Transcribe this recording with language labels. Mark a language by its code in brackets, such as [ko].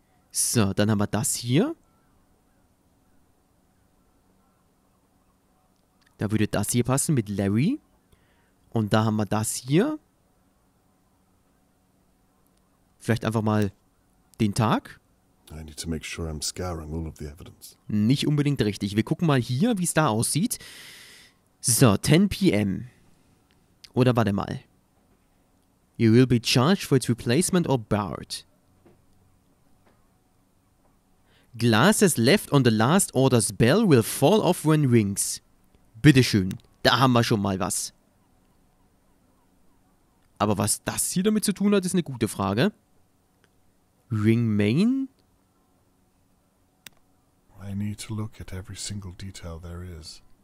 [de] So, dann haben wir das hier. Da würde das hier passen mit Larry. Und da haben wir das hier. Vielleicht einfach mal den Tag. [en] I need to make sure I'm scouring all of the evidence. [de] Nicht unbedingt richtig. Wir gucken mal hier, wie es da aussieht. So, 10 p.m. Oder warte mal. [en] You will be charged for its replacement or barred. Glasses left on the last order's bell will fall off when rings. [de] Bitteschön, da haben wir schon mal was. Aber was das hier damit zu tun hat, ist eine gute Frage. [en] Ring Main? I need to look at every single detail there is.